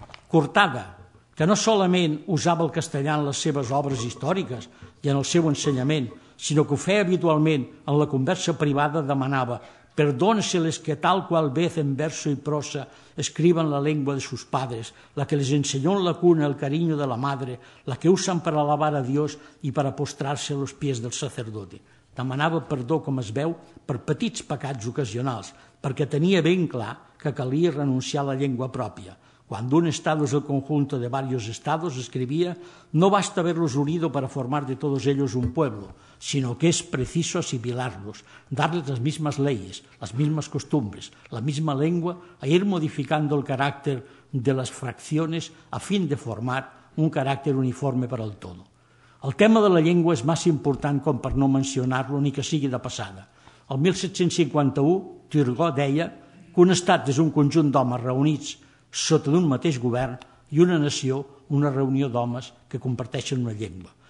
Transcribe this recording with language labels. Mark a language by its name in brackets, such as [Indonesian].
[Catalan] Cortada, que no solament usava el castellà en les seves obres històriques i en el seu ensenyament, sinó que ho feia habitualment en la conversa privada, demanava [Spanish] «perdónseles que tal qual vez en verso y prosa escriban la lengua de sus padres, la que les enseñó en la cuna el cariño de la madre, la que usan para alabar a Dios y para postrarse a los pies del sacerdote». [Catalan] Demanava perdó, com es veu, per petits pecats ocasionals, perquè tenia ben clar que calia renunciar a la llengua pròpia. [Spanish] Quan un estado es el conjunto de varios estados, [Catalan] escrivia, [Spanish] no basta haberlos unido para formar de todos ellos un pueblo, sino que es preciso asimilarlos, darles las mismas leyes, las mismas costumbres, la misma lengua, a ir modificando el carácter de las fracciones a fin de formar un carácter uniforme para el todo. [Catalan] El tema de la llengua és massa important com per no mencionar-lo ni que sigui de passada. El 1751, Turgot deia que un estat és un conjunt d'homes reunits sota d'un mateix govern i una nació una reunió d'homes que comparteixen una llengua.